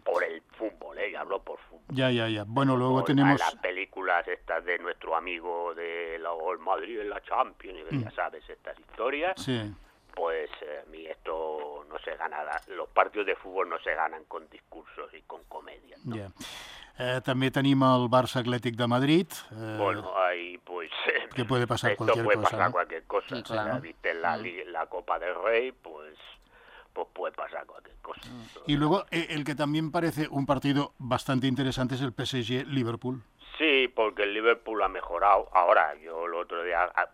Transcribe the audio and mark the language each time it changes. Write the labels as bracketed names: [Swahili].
[Spanish] Por el fútbol, ya hablo por fútbol. Ya. Bueno, luego tenemos... las películas estas de nuestro amigo de la el Madrid en la Champions, y ya sabes estas historias. Sí. Pues a mí esto no se gana, los partidos de fútbol no se ganan con discursos y con comedia, ¿no? [English] Yeah. [Catalan] També tenim el Barça Atlètic de Madrid. [Spanish] Bueno, ahí pues... que puede pasar esto puede cosa, pasar ¿no? cualquier cosa. Sí, claro. Si viste la Copa del Rey, pues puede pasar cualquier cosa. Y luego el que también parece un partido bastante interesante es el PSG-Liverpool. Sí, porque el Liverpool ha mejorado. Ahora, yo el otro día...